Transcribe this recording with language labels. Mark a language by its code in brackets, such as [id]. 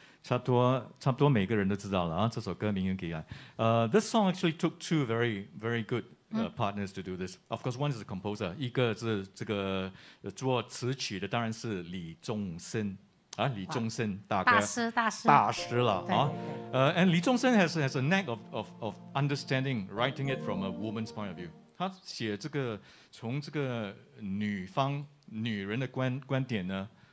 [zh] 差不多每个人都知道了啊。这首歌名给爱。 [en] This song actually took two very, very good partners to do this. Of course, one is a composer. [zh] 一个是这个做词曲的，当然是李宗盛啊，李宗盛大哥，大师 [en] 了啊。And 李宗盛 has a knack of understanding writing it from a woman's point of view. [zh] 他写这个从这个女方女人的观点呢。